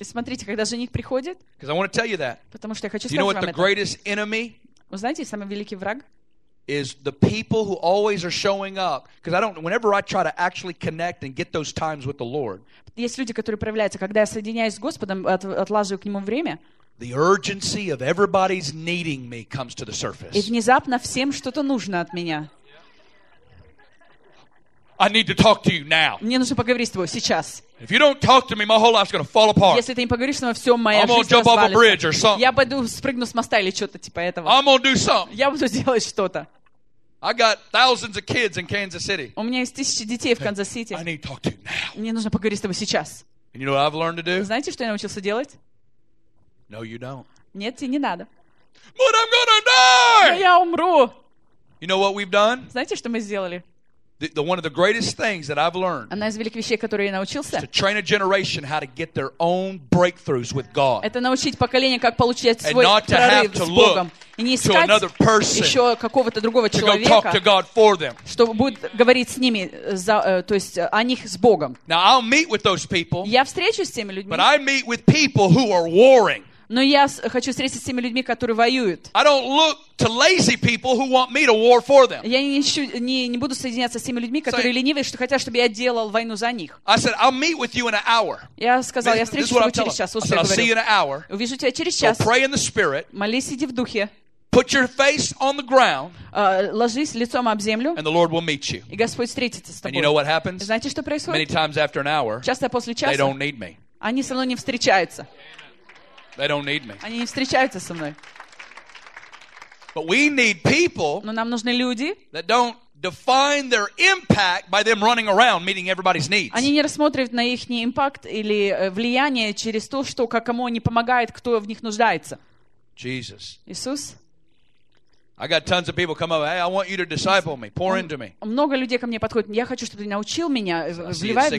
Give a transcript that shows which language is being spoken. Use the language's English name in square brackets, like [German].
[Russian] И смотрите, когда жених приходит. [English] Because I want to tell you that. [Russian] Потому что я хочу сказать вам это. [English] You know what the greatest enemy? [Russian] Вы знаете, самый великий враг? [English] Is the people who always are showing up. Because I don't, whenever I try to actually connect and get those times with the Lord. [Russian] Есть люди, которые проявляются, когда я соединяюсь с Господом, отлаживаю к Нему время. [English] The urgency of everybody's needing me comes to the surface. [Russian] И внезапно всем что-то нужно от меня. [English] I need to talk to you now. [Russian] Мне нужно поговорить с тобой сейчас. [English] If you don't talk to me, my whole life's going to fall apart. [Russian] Если ты не поговоришь со мной, все, моя жизнь развалится. [English] I'm going to jump off a bridge or something. [Russian] Я пойду спрыгну с моста или что-то типа этого. [English] I'm going to do something. [Russian] Я буду делать что-то. [English] I got thousands of kids in Kansas City. [Russian] У меня есть тысячи детей в Канзас-Сити. [English] I need to talk to you now. [Russian] Мне нужно поговорить с тобой сейчас. [English] And you know what I've learned to do? [Russian] Знаете, что я научился делать? [English] No, you don't. [Russian] Нет, тебе не надо. [English] But I'm going to die. [Russian] Но я умру. [English] You know what we've done? [Russian] Знаете, что мы сделали? [English] The one of the greatest things that I've learned. [Russian] Одна из великих вещей, которые я научился. [English] To train a generation how to get their own breakthroughs with God. [Russian] Это научить поколение, как получать свой прорыв с Богом. И не искать еще какого-то другого человека. [English] To go talk to God for them. [Russian] Чтобы будет говорить с ними, то есть о них с Богом. [English] Now I'll meet with those people. [Russian] Я встречусь с теми людьми. [English] But I meet with people who are warring. [Russian] Но я хочу встретиться с теми людьми, которые воюют. [English] I don't look to lazy people who want me to war for them. [Russian] Я не буду соединяться с теми людьми, которые ленивые, что хотят, чтобы я делал войну за них. [English] I said I'll meet with you in an hour. [Russian] Я сказал, я встречусь с тобой через час. [English] I'll see you in an hour. [Russian] Увижу тебя через час. [English] Pray in the spirit. [Russian] Молись, иди в духе. [English] Put your face on the ground. [Russian] Ложись лицом об землю. [English] And the Lord will meet you. [Russian] И Господь встретится с тобой. [English] And you know what happens? [Russian] Знаете, что происходит? [English] Many times after an hour. [Russian] Часто после часа. [English] They don't need me. [Russian] Они со мной не встречаются. [English] They don't need me. [Russian] Они не встречаются со мной. [English] But we need people. [Russian] Но нам нужны люди. [English] That don't define their impact by them running around meeting everybody's needs. [Russian] Они не рассматривают на их импакт или влияние через то, что кому они помогают, кто в них нуждается. [English] Jesus. [Russian] Иисус. [English] I got tons of people come up. Hey, I want you to disciple me. Pour into me. [Russian] Много людей ко мне подходят. Я хочу, чтобы ты научил меня, вливай меня.